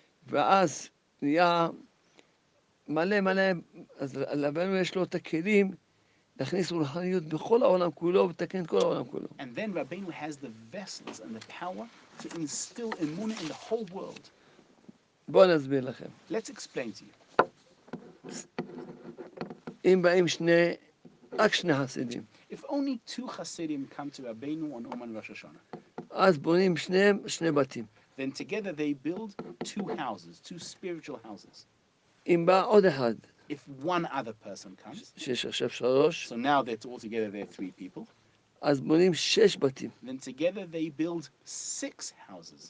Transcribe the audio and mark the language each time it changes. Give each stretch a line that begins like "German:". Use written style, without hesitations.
Hebrew: ואז נהיה מלא מלא, אז לבנו יש לו את הכלים להכניס רוחניות בכל העולם כולו ותקן כל העולם כולו.
English: And then Rabbeinu has the vessels and the power to instill emunah in the whole world.
Hebrew: בוא נסביר לכם.
English: Let's explain to you.
Hebrew: אם באים שני, רק שני חסידים.
English: If only two חסידים come to Rabbeinu on Uman Rosh Hashanah.
Hebrew: אז בונים שני בתים.
English: Then together they build two houses, two spiritual houses. If one other person comes, so now that all together there are three people, then together they build six houses.